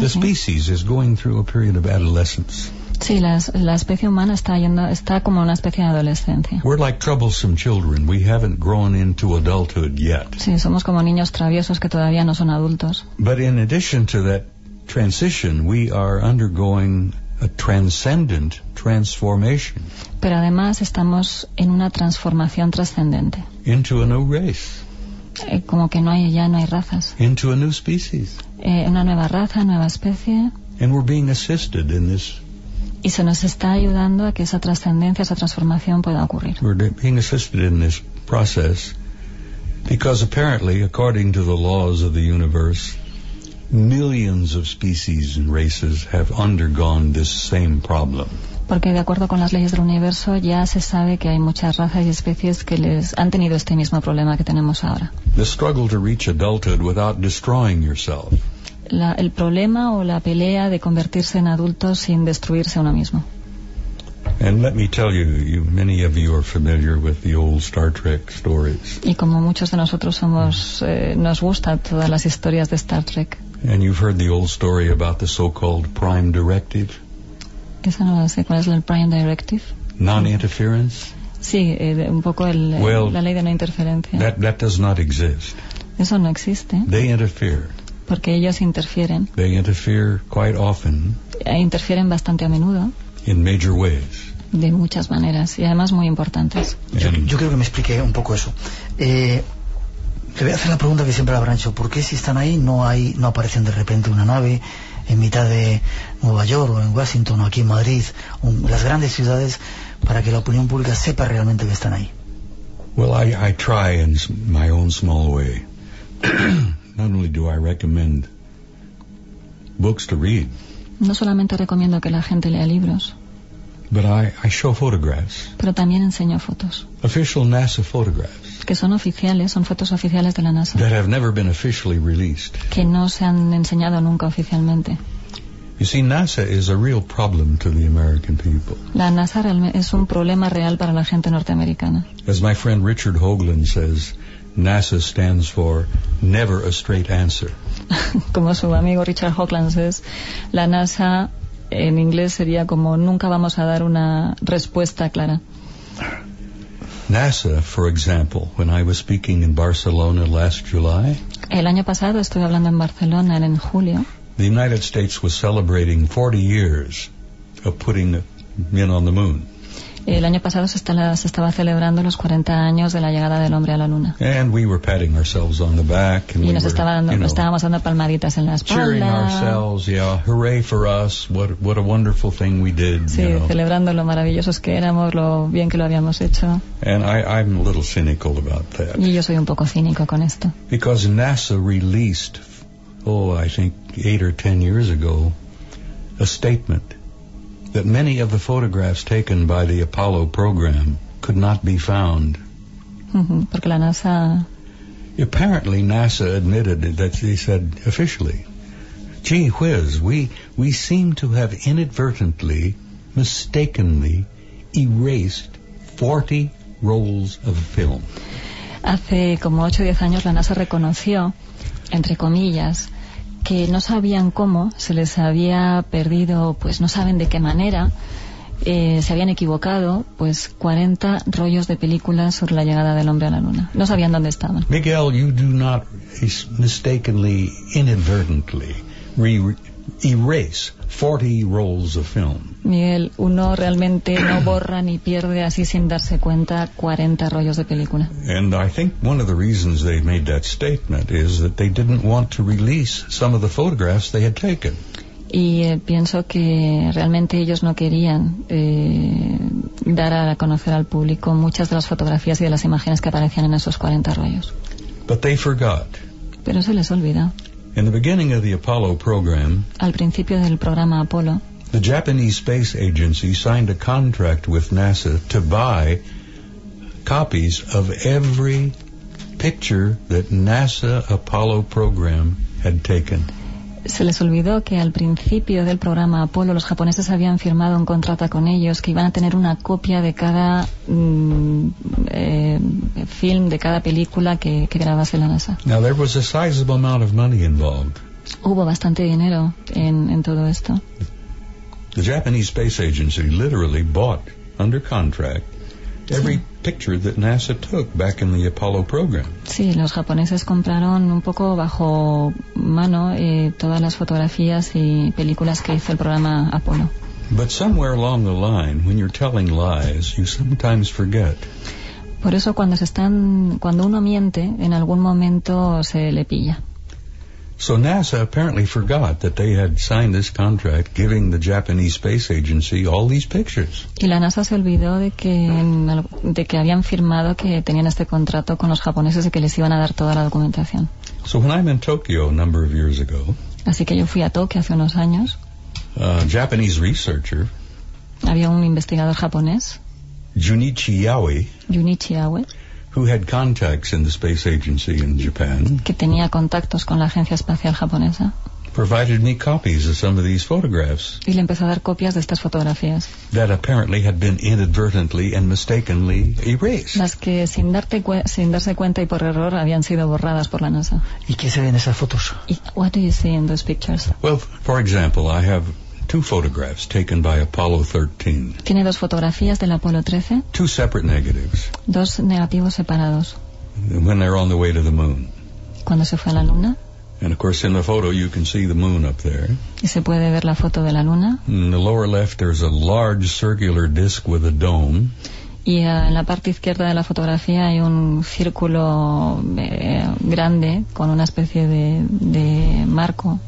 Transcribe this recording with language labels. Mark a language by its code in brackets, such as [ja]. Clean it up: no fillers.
[en] The species is going through a period of adolescence. [es] Sí, la especie humana está como una especie de adolescencia. [en] We're like troublesome children. We haven't grown into adulthood yet. [es] Sí, somos como niños traviesos que todavía no son adultos. [en] But in addition to that transition, we are undergoing a transcendent transformation. [es] Pero además estamos en una transformación trascendente. [en] Into a new race. [es] Como que ya no hay razas. [en] Into a new species. [es] Una nueva raza, nueva especie. [en] And we're being assisted in this. [es] Y se nos está ayudando a que esa trascendencia, esa transformación pueda ocurrir. [en] We're being assisted in this process because apparently, according to the laws of the universe, millions of species and races have undergone this same problem. [es] Porque de acuerdo con las leyes del universo ya se sabe que hay muchas razas y especies que les han tenido este mismo problema que tenemos ahora. [en] The struggle to reach adulthood without destroying yourself. [es] El problema o la pelea de convertirse en adulto sin destruirse uno mismo. [en] And let me tell you, many of you are familiar with the old Star Trek stories. [es] Y como muchos de nosotros somos, nos gustan todas las historias de Star Trek. [en] And you've heard the old story about the so-called Prime Directive. [es] Esa no sé, ¿cuál es el Prime Directive? [en] Non-interference? [es] Sí, un poco la ley de no interferencia. [en] That does not exist. [es] Eso no existe. [en] They interfere. [es] Porque ellos interfieren. [en] They interfere quite often. [es] Interfieren bastante a menudo. [en] In major ways. [es] De muchas maneras, y además muy importantes. Yo creo que me expliqué un poco eso. Le voy a hacer la pregunta que siempre le habrán hecho. ¿Por qué si están ahí no aparecen de repente una nave en mitad de Nueva York o en Washington o aquí en Madrid, las grandes ciudades, para que la opinión pública sepa realmente que están ahí? [en] Well, I try in my own small way. Not only do I recommend books to read. [es] No solamente recomiendo que la gente lea libros. [en] But I show photographs. [es] Pero también enseño fotos. [en] Official NASA photographs. [es] Que son oficiales, son fotos oficiales de la NASA. [en] That have never been officially released. [es] Que no se han enseñado nunca oficialmente. [en] You see, NASA is a real problem to the American people. [es] La NASA es un problema real para la gente norteamericana. [en] As my friend Richard Hoagland says, NASA stands for never a straight answer. [es] Como su amigo Richard Hoagland [en] says, [es] la NASA en inglés sería como nunca vamos a dar una respuesta clara. [en] NASA, for example, when I was speaking in Barcelona last July. [es] El año pasado estuve hablando en Barcelona en julio. [en] The United States was celebrating 40 years of putting men on the moon. [es] El año pasado se estaba celebrando los 40 años de la llegada del hombre a la luna. [en] And we were patting ourselves on the back. And [es] y [en] we [es] nos [en] were, [es] estaba dando, [en] you know, [es] estábamos dando palmaditas en la espalda. [en] Cheering ourselves, yeah, hooray for us, what a wonderful thing we did. [es] Sí, [en] you know, [es] celebrando lo maravillosos que éramos, lo bien que lo habíamos hecho. [en] And I'm a little cynical about that. [es] Y yo soy un poco cínico con esto. [en] Because NASA released, oh, I think 8 or 10 years ago, a statement that many of the photographs taken by the Apollo program could not be found. [es] Mm-hmm, porque la NASA... [en] Apparently NASA admitted that, they said officially, gee whiz, we seem to have inadvertently, mistakenly erased 40 rolls of film. [es] Hace como 8 o 10 años la NASA reconoció, entre comillas, que no sabían cómo, se les había perdido, pues no saben de qué manera, se habían equivocado, pues 40 rollos de películas sobre la llegada del hombre a la luna. No sabían dónde estaban. [en] Miguel, you do not mistakenly, inadvertently erase 40 rolls of film. [es] Miguel, uno realmente no borra ni pierde así sin darse cuenta 40 rollos de película. [en] And I think one of the reasons they made that statement is that they didn't want to release some of the photographs they had taken. [es] Y pienso que realmente ellos no querían dar a conocer al público muchas de las fotografías y de las imágenes que aparecían en esos 40 rollos. [en] But they forgot. [es] Pero se les olvida. [en] In the beginning of the Apollo program, [es] al principio del programa Apolo, [en] the Japanese Space Agency signed a contract with NASA to buy copies of every picture that NASA Apollo program had taken. [es] Se les olvidó que al principio del programa Apolo los japoneses habían firmado un contrato con ellos que iban a tener una copia de cada film, de cada película que grabase la NASA. [en] Now there was a sizable amount of money involved. [es] Hubo bastante dinero en todo esto. [en] The Japanese Space Agency literally bought under contract every picture that NASA took back in the Apollo program. [es] Sí, los japoneses compraron un poco bajo mano todas las fotografías y películas que hizo el programa Apolo. [en] But somewhere along the line, when you're telling lies, you sometimes forget. [es] Por eso cuando uno miente, en algún momento se le pilla. [en] So NASA apparently forgot that they had signed this contract giving the Japanese Space Agency all these pictures. [es] Y la NASA se olvidó de que habían firmado que tenían este contrato con los japoneses y que les iban a dar toda la documentación. [en] So when I'm in Tokyo a number of years ago, [es] así que yo fui a Tokio hace unos años, [en] a Japanese researcher, [es] había un investigador japonés, [en] Junichi Aoi, who had contacts in the space agency in Japan, [es] que tenía contactos con la agencia espacial japonesa, [en] provided me copies of some of these photographs, [es] y le empezó a dar copias de estas fotografías, [en] that apparently had been inadvertently and mistakenly erased, [es] las que sin darse cuenta y por error habían sido borradas por la NASA. ¿Y qué se ve en esas fotos? [en] What do you see in those pictures? Well, for example, I have two photographs taken by Apollo 13. [es] Tiene dos fotografías del Apolo 13. [en] Two separate negatives. [es] Dos negativos separados. [en] When they're on the way to the moon. [es] Cuando se fue a la luna. [en] And of course, in the photo, you can see the moon up there. [es] Y se puede ver la foto de la luna. [en] In the lower left, there's a large circular disc with a dome. [es] Y en la parte izquierda de la fotografía hay un círculo grande con una especie de marco.